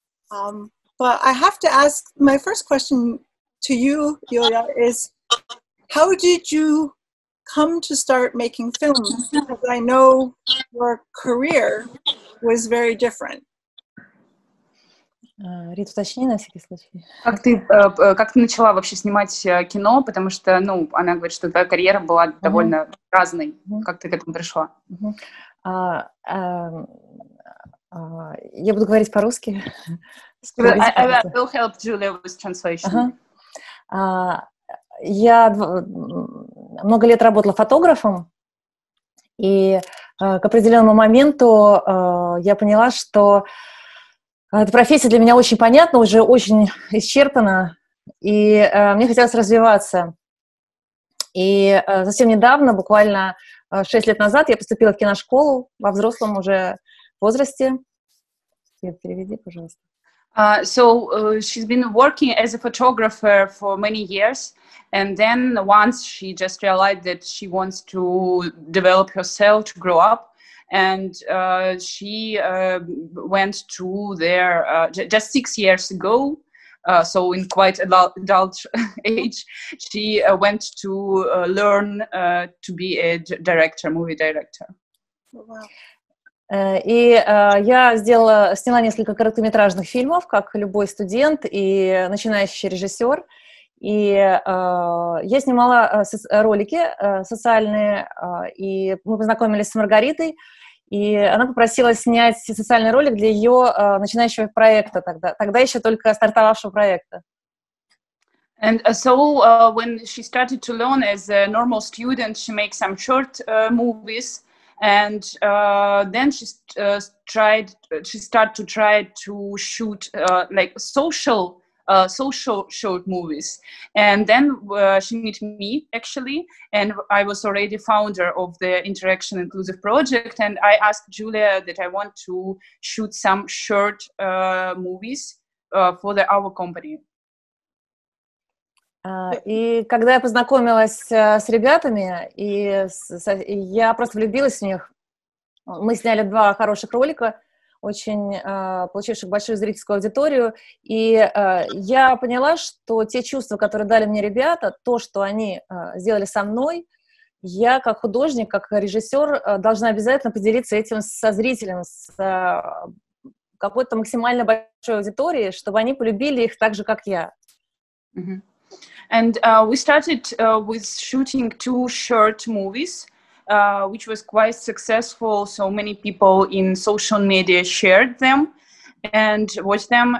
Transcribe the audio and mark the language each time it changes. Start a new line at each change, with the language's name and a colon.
English: But I have to ask, my first question to you, Julia, is how did you come to start making films? Because I know your career was very different.
Russian: Рит, уточни на всякий случай. Как ты начала вообще снимать кино? Потому что, ну, она говорит, что твоя карьера была довольно разной. Как ты к этому пришла? Я буду говорить по-русски.
English: I'll help Julia with translation.
Russian: Я много лет работала фотографом, и к определенному моменту я поняла, что эта профессия для меня очень понятна, уже очень исчерпана, и мне хотелось развиваться. И совсем недавно, буквально 6 лет назад, я поступила в киношколу во взрослом уже возрасте. Переведи, пожалуйста.
English: So she's been working as a photographer for many years, and then once she just realized that she wants to develop herself, to grow up, and she went to there just 6 years ago, so in quite adult age, she went to learn to be a director, movie director. Wow.
Russian: И я сняла несколько короткометражных фильмов, как любой студент и начинающий режиссер. И я снимала ролики социальные, и мы познакомились с Маргаритой, и она попросила снять социальный ролик для ее начинающего проекта тогда еще только стартовавшего проекта.
English: And so when she started to learn as a normal student, she makes some short movies. And then she started to shoot like social short movies. And then she met me, actually, and I was already founder of the Interaction Inclusive Project. And I asked Julia that I want to shoot some short movies for our company.
Russian: И когда я познакомилась с ребятами, я просто влюбилась в них. Мы сняли два хороших ролика, очень получивших большую зрительскую аудиторию. И я поняла, что те чувства, которые дали мне ребята, то, что они сделали со мной, я как художник, как режиссер должна обязательно поделиться этим со зрителем, с какой-то максимально большой аудиторией, чтобы они полюбили их так же, как я.
English: And we started with shooting two short movies, which was quite successful. So many people in social media shared them and watched them.